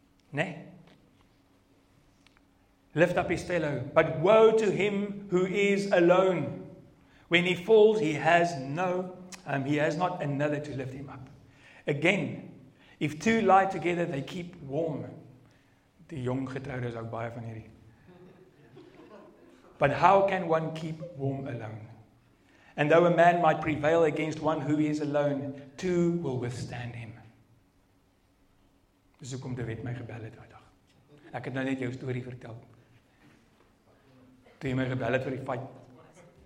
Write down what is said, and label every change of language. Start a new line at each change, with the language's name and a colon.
English: Nay. Lift up his fellow. But woe to him who is alone. When he falls, he has not another to lift him up. Again, if two lie together, they keep warm.
Afrikaans: Die jong getroudes ook baie van hierdie.
English: But how can one keep warm alone? And though a man might prevail against one who is alone, two will withstand him.
Afrikaans: Dis hoekom David my gebel het vandag. Ek het nou net jou storie vertel. Toe jy my gebel het vir die fight.